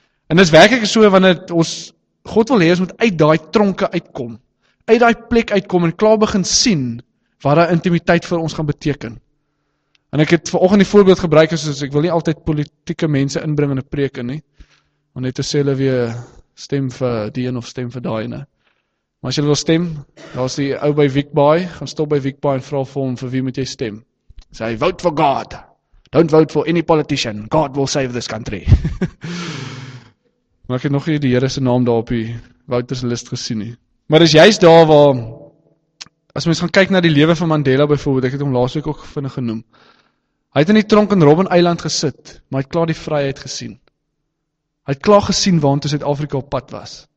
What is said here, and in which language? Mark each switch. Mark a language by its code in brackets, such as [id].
[af] En dis werkelijk so, wanneer ons, God wil hê, ons moet uit die tronke uitkom. Uit die plek uitkom en klaar begin sien, wat die intimiteit vir ons gaan beteken. En ek het vanoggend die voorbeeld gebruik, soos ek wil nie altyd politieke mense inbring in 'n preek in nie, want net te sê hulle weer stem vir die een of stem vir daai ene. Maar as jy wil stem, daar is die ou by Wiekbaai, gaan stop by Wiekbaai en vraag vir hom vir wie moet jy stem. [en] Sê, vote for God, don't vote for any politician, God will save this country. [af] Maar ek het nog nie die Here se naam daar op die Wouters list gesien nie. Maar is juist daar waar, as mens gaan kyk na die lewe van Mandela byvoorbeeld, ek het hom laas week ook vinnig genoem, hy het in die tronk in Robben Island gesit, maar hy het klaar die vryheid gesien. Hy het klaar gesien waarom toe Suid-Afrika op pad was.